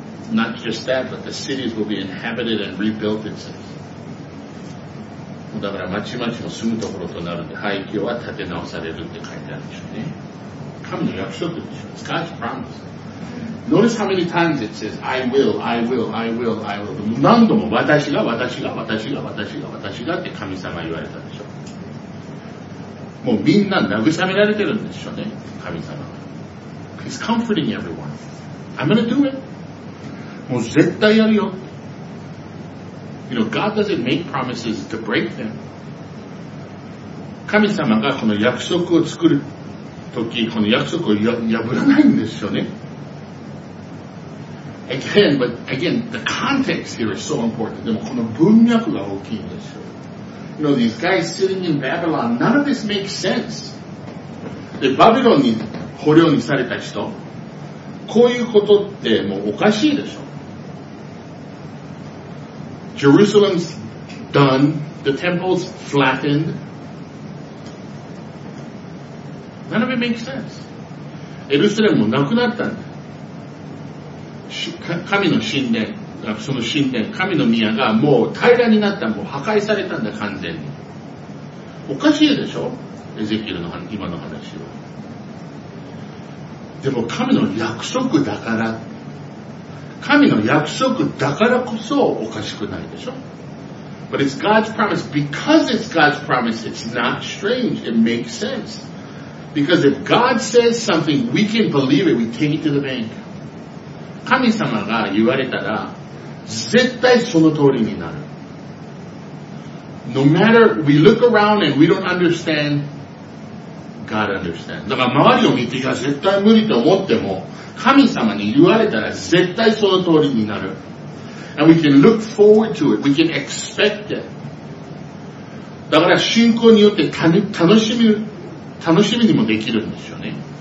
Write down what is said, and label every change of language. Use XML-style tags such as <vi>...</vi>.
<en>Not just that, but the cities will be inhabited and rebuilt itself.</en> <ja>だから町々の住むところとなるんで、廃墟は建て直されるって書いてあるんでしょうね。神の約束でしょ。</ja> <en>It's God's promise. Notice how many times it says, I will, I will, I will, I will.</en> <ja>何度も私が、私が、私が、私が、私がって神様言われたでしょ。もうみんな慰められてるんでしょうね、神様。</ja> <en>He's comforting everyone. I'm gonna do it.</en> <ja>もう絶対やるよ。</ja> <en>You know, God doesn't make promises to break them.</en> <ja>神様がこの約束を作る時、この約束を破らないんですよね。</ja> <en>Again, but again, the context here is so important.</en> <ja>でもこの文脈が大きいんですよ。</ja> <en>You know, these guys sitting in Babylon, none of this makes sense.</en> <ja>で、バビロンに捕虜にされた人、こういうことってもうおかしいでしょ。</ja> <en>Jerusalem's done, the temple's flattened. None of it makes sense.</en> <ja>エルサレムもなくなったんだ。神の神殿、その神殿、神の宮がもう平らになった、もう破壊されたんだ、完全に。おかしいでしょ？エゼキエルの今の話は。でも神の約束だから、神の約束だからこそおかしくないでしょ。</ja> <en>But it's God's promise. Because it's God's promise, it's not strange. It makes sense. Because if God says something, we can believe it. We take it to the bank.</en> <ja>神様が言われたら、絶対その通りになる。</ja> <en>No matter, we look around and we don't understand, God understands.</en> <ja>だから周りを見て、いや、絶対無理と思っても、神様に言われたら絶対その通りになる。</ja> <en>And we can look forward to it. We can expect it.</en> <ja>だから信仰によって楽しみにもできるんですよね。</ja>